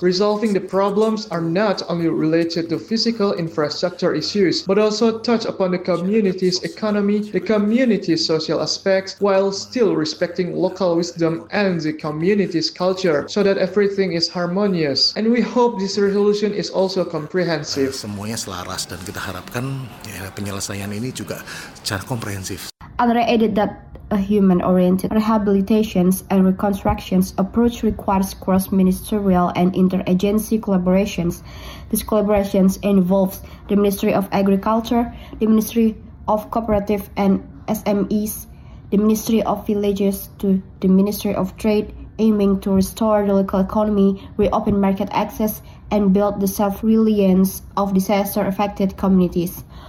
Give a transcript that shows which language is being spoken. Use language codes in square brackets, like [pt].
[en] Resolving the problems are not only related to physical infrastructure issues, but also touch upon the community's economy, the community's social aspects, while still respecting local wisdom and the community's culture, so that everything is harmonious. And we hope this resolution is also comprehensive. [id] Semuanya selaras dan kita harapkan penyelesaian ini juga secara komprehensif. [en] Andre added that a human-oriented rehabilitations and reconstructions approach requires cross-ministerial and inter-agency collaborations. These collaborations involve the Ministry of Agriculture, the Ministry of Cooperative and SMEs, the Ministry of Villages to the Ministry of Trade, aiming to restore the local economy, reopen market access, and build the self-reliance of disaster-affected communities.